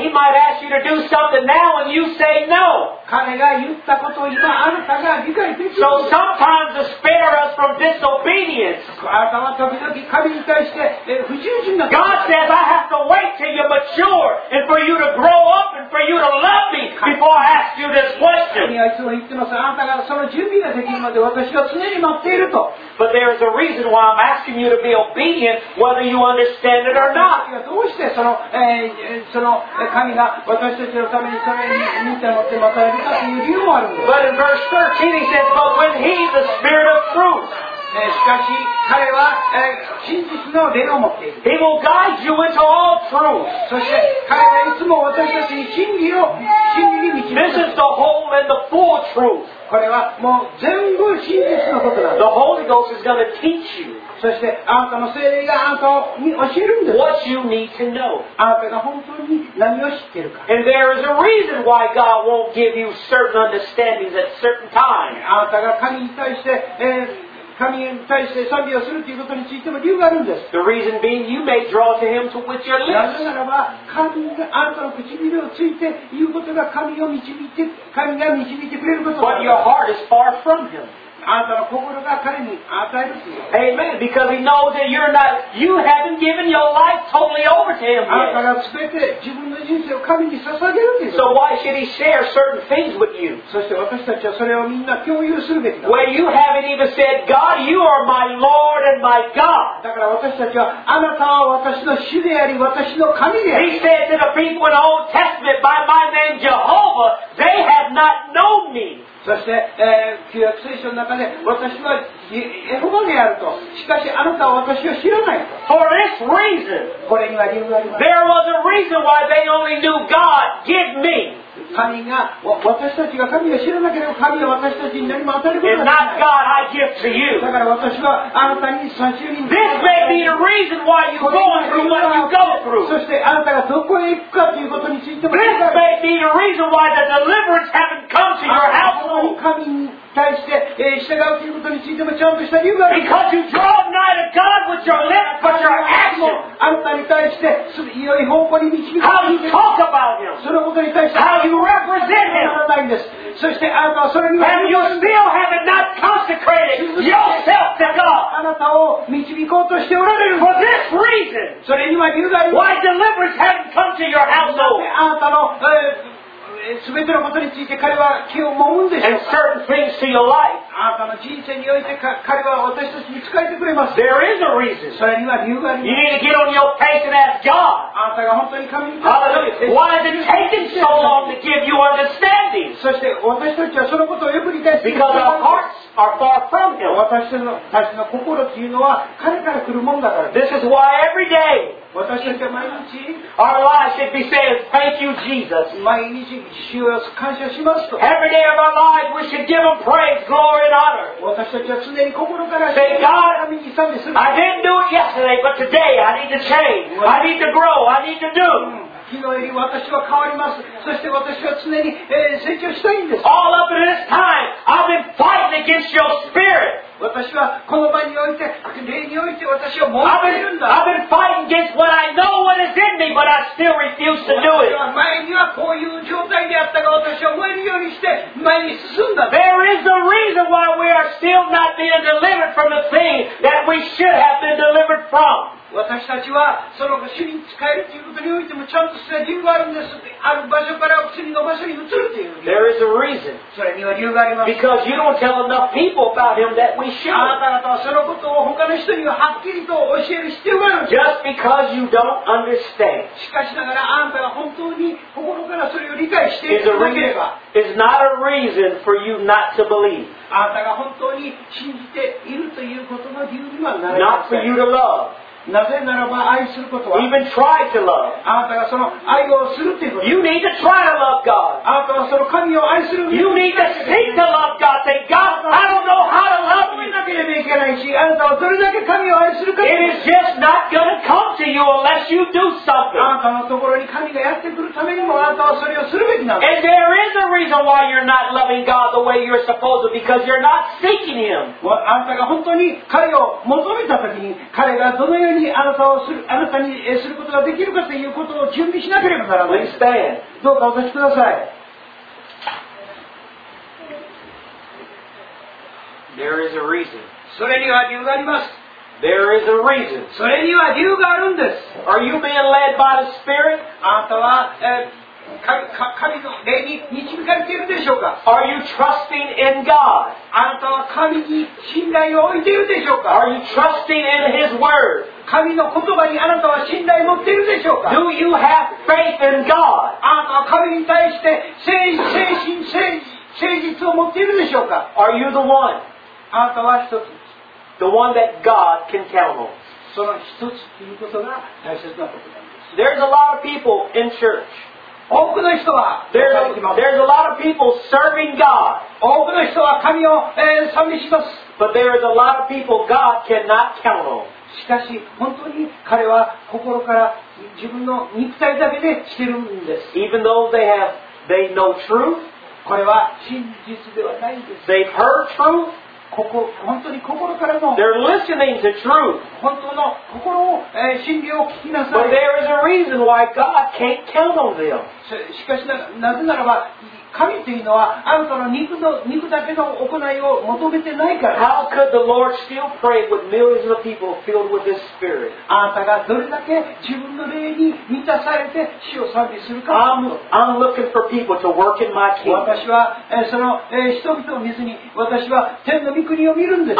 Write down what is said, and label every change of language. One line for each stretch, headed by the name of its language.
English: He might ask you to do something now and you say no.
Japanese: 彼が言ったことを今あなたが理解できる。
English: So sometimes to spare us from disobedience.
Japanese: あなたは時々神に対して不従順な。
English: God says I have to wait till you mature and for you to grow up and for you to love me before I ask you this question.
Japanese: 神はいつも言ってます。あなたがその準備ができるまで私は常に待っていると。
English: But there is a reason why I'm asking you to be obedient, whether you understand it or not.
Japanese: どうしてその、その神が私たちのためにそれに見てもってまたやるかという理由もあるんです。
English: But in verse 13 he says, but when he, the spirit of truth,
Japanese: しかし彼は、真実の霊を持っている。
English: He will guide you into all truth.
Japanese: そして彼はいつも私たちに真理を、真理に導く。
English: This is the whole and the full truth.
Japanese: これはもう全部真実のことなんです。
English: The Holy Ghost is going to teach you.
Japanese: そしてあなたの聖霊があなたに教えるんです。
English: What you need to know.
Japanese: あなたが本当に何を知っているか。
English: And there is a reason why God won't give you certain understandings at certain times.
Japanese: あなたが神に対して賛美をするということについても理由があるんです。
English: The reason being you may draw to him to which your lips.
Japanese: なぜならば神があなたの唇について言うことが神を導いて神が導いてくれること。
English: But your heart is far from him.
Japanese: あなたの心が彼に与えるという。
English: Amen. Because he knows that you're not, you haven't given your life totally over to him yet.
Japanese: あなたが全て自分の人生を神に捧げるという。
English: So why should he share certain things with you?
Japanese: そして私たちはそれをみんな共有するべきだ。
English: Where you haven't even said, God, you are my Lord and my God.
Japanese: だから私たちはあなたは私の主であり私の神であり。
English: He said to the people in the Old Testament, by my name Jehovah, they have not known me.
Japanese: そして、旧約聖書の中で私はエホバであるとしかしあなたは私を知らないと
English: For this reason,
Japanese: これには理由があります
English: There was a reason why they only knew God, give me
Japanese: 神が私たちが神を知らなければ神は私たちに何も与えることができない
English: It's not God I give to you
Japanese: だから私はあなたに差し入れに
English: This may be the reason why you're going through what you go through
Japanese: そしてあなたがどこへ行くかということについても
English: This may be the reason why the deliverance haven't come to your house
Japanese: 神に対して従うということについてもちゃんとした理由がある。
English: Because you draw nigh to God with your lips, but your actions.
Japanese: あなたに対して良い方向に導く。
English: How you talk about him.
Japanese: そのことに対して。
English: How you represent him.
Japanese: ならないんです。そしてあなたはそれに。
English: And you still have not consecrated yourself to God.
Japanese: あなたを導こうとしておられる。
English: For this reason.
Japanese: それには理由がある。
English: Why deliverance haven't come to your household?
Japanese: あなたの。全てのことについて彼は気をもむんでしょうか
English: And certain things to your life.
Japanese: あなたの人生において彼は私たちに使えてくれます
English: There is a reason.
Japanese: それには理由があります
English: You need to get on your face and ask God.
Japanese: あなたが本当に神に
English: Hallelujah. Why is it taking so long to give you understanding?
Japanese: そして私たちはそのことをよく理解する
English: Because our hearts are far from him.
Japanese: 私の心というのは彼から来るもんだから
English: This is why every day. Our lives should be saying, "Thank you, Jesus."
Japanese: 毎日主を感謝しますと。
English: Every day of our lives, we should give Him praise, glory, and honor.
Japanese: 私たちは常に心から
English: say, "God, I didn't do it yesterday, but today I need to change. I need to grow. I need to do."
Japanese: 私は変わります。そして私は常に、成長したいんです。
English: All up in this time, I've been fighting against your spirit.
Japanese: 私はこの場において、霊において私は燃えているんだ。
English: I've been fighting against what I know what is in me, but I still refuse to do it.
Japanese: 前にはこういう状態であったが、私は燃えるようにして前に進んだ。
English: There is a reason why we are still not being delivered from the thing that we should have been delivered from.
Japanese: 私たちはその主に仕えるということにおいてもちゃんとした理由があるんです。ある場所から次の場所に移るという。
English: There is a reason.
Japanese: それには理由があります。
English: Because you don't tell enough people about him that we should.
Japanese: あなた方はそのことを他の人にははっきりと教える必要がある。
English: Just because you don't understand.
Japanese: しかしながらあなたが本当に心からそれを理解していなければ。
English: Is not a reason for you not to believe.
Japanese: あなたが本当に信じているということの理由にはならない。
English: Not for you to love.
Japanese: なぜならば愛することは
English: Even try to love.
Japanese: あなたがその愛をするということ
English: You need to try to love God.
Japanese: あなたがその神を愛する
English: You need to seek to love God. Say, God, I don't know how to love you.
Japanese: けないし、あなたはどれだけ神を愛するか。
English: It is just not going to come to you unless you do something.
Japanese: あなたのところに神がやってくるためにも、あなたはそれをするべきなの。
English: And there is a reason why you're not loving God the way you're supposed to, because you're not seeking Him.
Japanese: あなたが本当に彼を求めたときに、彼がどのようにあなたをする、あなたにすることができるかということを準備しなければならない。
English: Please stand.
Japanese: どうかお立ちください。
English: There is a reason.
Japanese: それには理由があります。
English: There is a reason.
Japanese: それには理由があるんです。
English: Are you being led by the Spirit?
Japanese: あなたは、神の霊に導かれているでしょうか?
English: Are you trusting in God?
Japanese: あなたは神に信頼を置いているでしょうか?
English: Are you trusting in His Word?
Japanese: 神の言葉にあなたは信頼を持っているでしょうか?
English: Do you have faith in God?
Japanese: あなたは神に対して誠実を持っているでしょうか?
English: Are you the one?
Japanese: あなたは一つ。
English: The one that God can count on.
Japanese: その一つということが大切なことなんです。
English: There's a lot of people in church.
Japanese: 多くの人は。
English: There's a lot of people serving God.
Japanese: 多くの人は神を賛美します。
English: But there is a lot of people God cannot count on.
Japanese: しかし、本当に彼は心から自分の肉体だけでしてるんです。
English: Even though they know truth.
Japanese: これは真実ではないんです。
English: They've heard truth.
Japanese: 本当に心からの
English: They're listening to truth.
Japanese: 本当の心を、真理を聞きなさい。
English: But there is a reason why God can't count on them.
Japanese: しかし なぜならば神というのはあなたの肉だけの行いを求めてないから。
English: How could the Lord still pray with millions of people filled with His Spirit?
Japanese: あなたがどれだけ自分の霊に満たされて主を賛美するか。
English: I'm looking for people to work in my kingdom.
Japanese: 私は、その、人々を見ずに私は天の御国を見るんです。